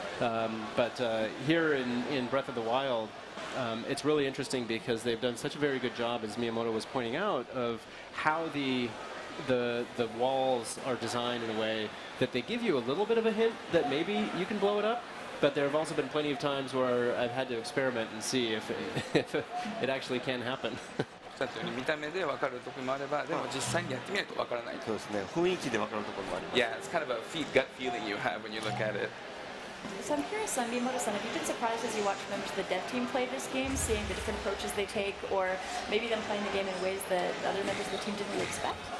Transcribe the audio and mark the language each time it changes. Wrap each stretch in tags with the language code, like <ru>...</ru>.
<en>But here in Breath of the Wild, it's really interesting because they've done such a very good job, as Miyamoto was pointing out, of how the walls are designed in a way that they give you a little bit of a hint that maybe you can blow it up. But there have also been plenty of times where I've had to experiment and see if it actually can happen.</en> <ja>見た目で分かるところもあれば、でも実際にやってみないと分からない。そうですね。雰囲気で分かるところもあります。</ja> <en>Yeah, it's kind of a gut feeling you have when you look at it. So I'm curious, Miyamoto-san, have you been surprised as you watch members of the dev team play this game, seeing the different approaches they take, or maybe them playing the game in ways that other members of the team didn't really expect?</en>